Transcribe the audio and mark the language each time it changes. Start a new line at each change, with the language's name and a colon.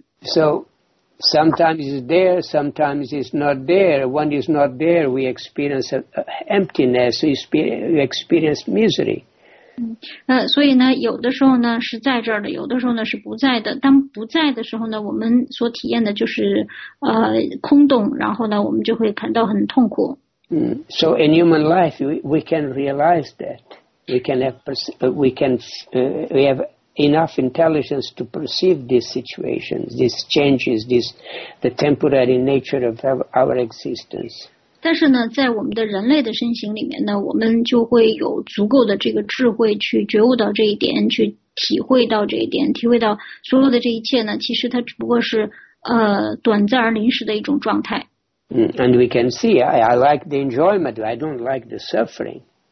English: So, sometimes it's there, sometimes it's not there. When it's not there, we experience emptiness, we experience misery.
Chinese: 所以呢，有的时候呢是在这儿的，有的时候呢是不在的。当不在的时候呢，我们所体验的就是空洞，然后呢，我们就会感到很痛苦。
English: So in human life, we can realize that. We have enough intelligence to perceive these situations, these changes, the temporary nature of our existence.
Chinese: 但是呢，在我们的人类的身形里面呢，我们就会有足够的这个智慧去觉悟到这一点，去体会到这一点，体会到所有的这一切呢，其实它只不过是短暂而临时的一种状态。
English: And we can see, I like the enjoyment, I don't like the suffering.